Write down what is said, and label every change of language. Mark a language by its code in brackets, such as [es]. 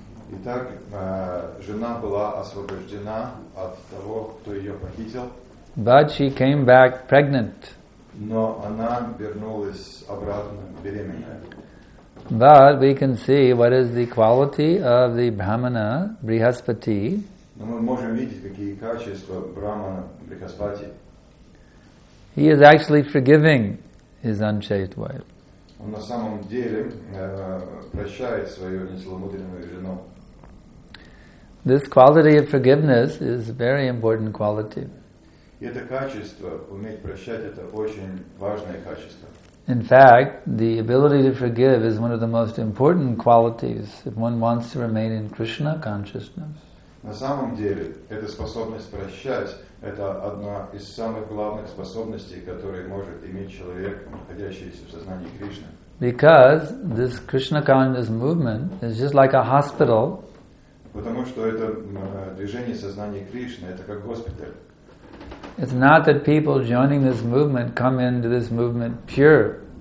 [ru] Итак, жена была освобождена от того, кто ее похитил. [en] But she came back pregnant. [ru] Но она вернулась обратно беременная. [en] But we can see what is the quality of the Brahmana Brihaspati. [ru] Но мы можем видеть, какие качества Брахмана Брихаспати. [en] He is actually forgiving his unchaste wife. [ru] Он на самом деле прощает свою нецеломудренную жену. [en] This quality of forgiveness is a very important quality. [ru] Это качество, уметь прощать, это очень важное качество. [en] In fact, the ability to forgive is one of the most important qualities if one wants to remain in Krishna consciousness. [ru] На самом деле, эта способность прощать – это одна из самых главных способностей, которые может иметь человек, находящийся в сознании Кришны. [en] Because this Krishna consciousness movement is just like a hospital. [ru] Потому что это движение сознания Кришны – это как госпиталь. [en] It's not that people joining this movement come into this movement pure.